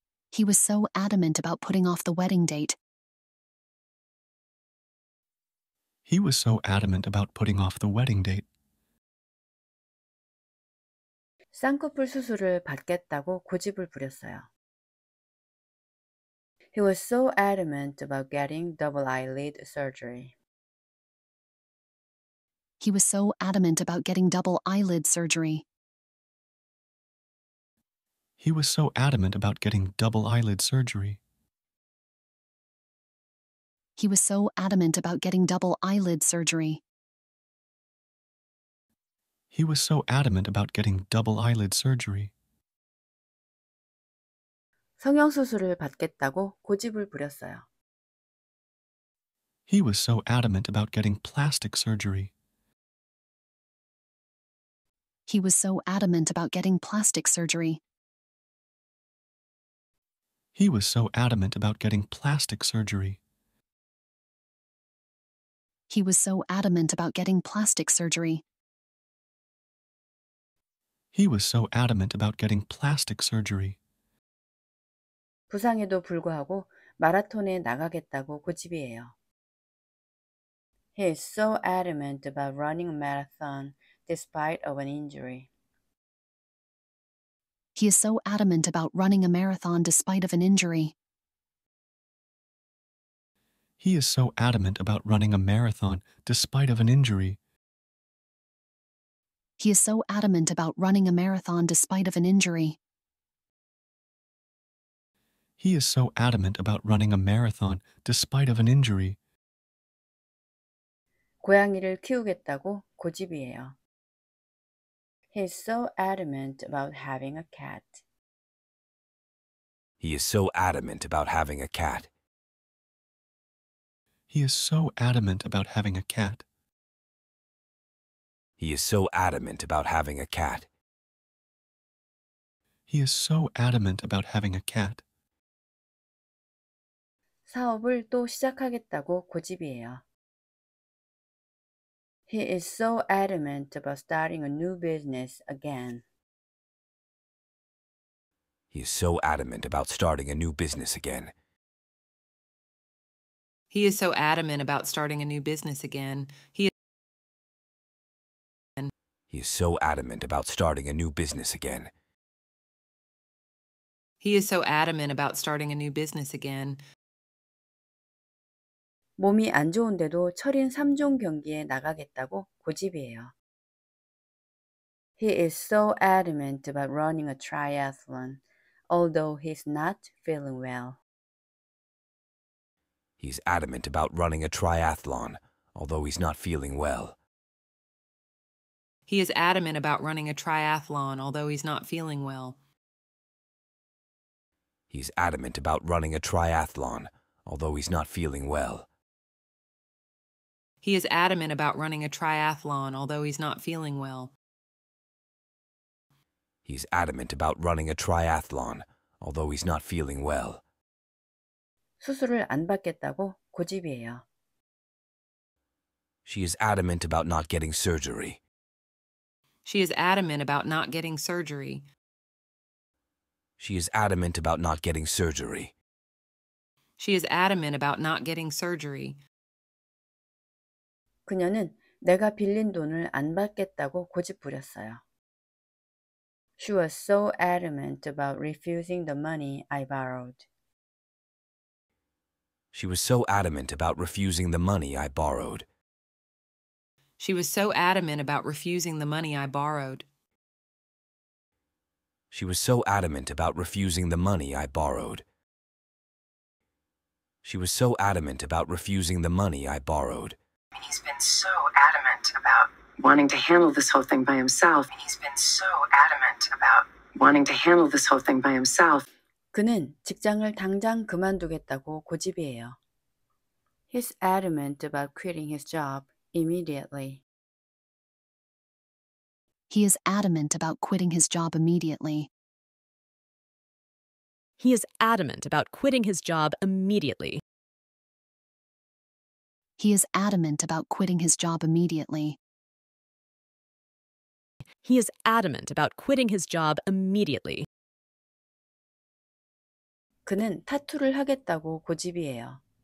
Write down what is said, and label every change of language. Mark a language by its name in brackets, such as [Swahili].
[English] He was so adamant about putting off the wedding date. He was so adamant about putting off the wedding date. [Korean] 쌍꺼풀 수술을 받겠다고 고집을 부렸어요. [English] He was so adamant about getting double eyelid surgery. He was so adamant about getting double eyelid surgery. He was so adamant about getting double eyelid surgery. He was so adamant about getting double eyelid surgery. He was so adamant about getting double eyelid surgery. [Korean] 성형 수술을 받겠다고 고집을 부렸어요. [English] He was so adamant about getting plastic surgery. He was so adamant about getting plastic surgery. He was so adamant about getting plastic surgery. He was so adamant about getting plastic surgery. He was so adamant about getting plastic surgery. [Korean] 부상에도 불구하고 마라톤에 나가겠다고 고집이에요. [English] He is so adamant about running a marathon despite of an injury. He is so adamant about running a marathon despite of an injury. He is so adamant about running a marathon despite of an injury. He is so adamant about running a marathon despite of an injury. He is so adamant about running a marathon despite of an injury. [Korean] 고양이를 키우겠다고 고집이에요. [English] He is so adamant about having a cat. He is so adamant about having a cat. He is so adamant about having a cat. He is so adamant about having a cat. He is so adamant about having a cat. [Korean] 사업을 또 시작하겠다고 고집이에요. [English] He is so adamant about starting a new business again. He is so adamant about starting a new business again. He is so adamant about starting a new business again. He is so adamant about starting a new business again. He is so adamant about starting a new business again. [Korean] 몸이 안 좋은데도 철인 3종 경기에 나가겠다고 고집이에요. [English] He is so adamant about running a triathlon, although he's not feeling well. He's adamant about running a triathlon, although he's not feeling well. He is adamant about running a triathlon, although he's not feeling well. He's adamant about running a triathlon, although he's not feeling well. He is adamant about running a triathlon, although he's not feeling well. He's adamant about running a triathlon, although he's not feeling well. [Korean] 수술을 안 받겠다고 고집이에요. [English] She is adamant about not getting surgery. She is adamant about not getting surgery. She is adamant about not getting surgery. She is adamant about not getting surgery. [Korean] 그녀는 내가 빌린 돈을 안 받겠다고 고집 부렸어요. [English] She was so adamant about refusing the money I borrowed. She was so adamant about refusing the money I borrowed. She was so adamant about refusing the money I borrowed. She was so adamant about refusing the money I borrowed. She was so adamant about refusing the money I borrowed. He's been so adamant about wanting to handle this whole thing by himself. He's been so adamant about wanting to handle this whole thing by himself. [Korean] 그는 직장을 당장 그만두겠다고 고집이에요. [English] He's adamant about quitting his job immediately. He is adamant about quitting his job immediately. He is adamant about quitting his job immediately. He is adamant about quitting his job immediately. He is adamant about quitting his job immediately. [Korean] 그는 타투를 하겠다고 고집이에요.